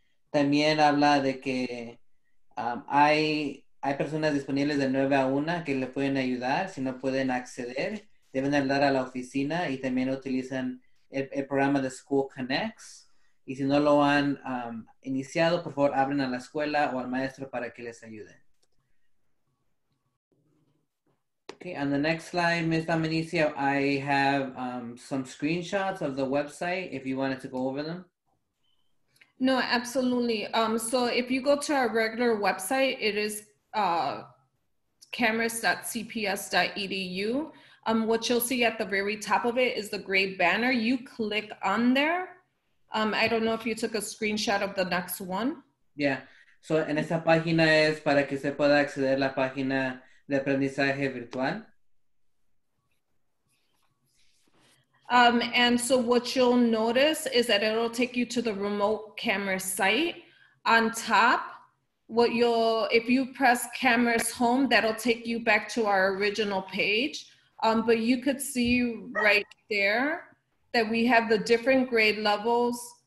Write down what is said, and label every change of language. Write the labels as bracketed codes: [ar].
[es] También habla de que hay personas disponibles de 9 a 1 que le pueden ayudar si no pueden acceder. Deben hablar a la oficina y también utilizan el programa de School Connects. Y si no lo han iniciado, por favor, hablen a la escuela o al maestro para que les ayude. [en] Okay, on the next slide, Ms. Dominici, I have some screenshots of the website if you wanted to go over them. No, absolutely. So if you go to our regular website, it is cameras.cps.edu. What you'll see at the very top of it is the gray banner. You click on there. I don't know if you took a screenshot of the next one. Yeah, so [es] en esa página es para que se pueda acceder a la página de aprendizaje virtual. [en] And so what you'll notice is that it'll take you to the remote camera site. On top, what you'll, if you press cameras home, that'll take you back to our original page. But you could see right there that we have the different grade levels.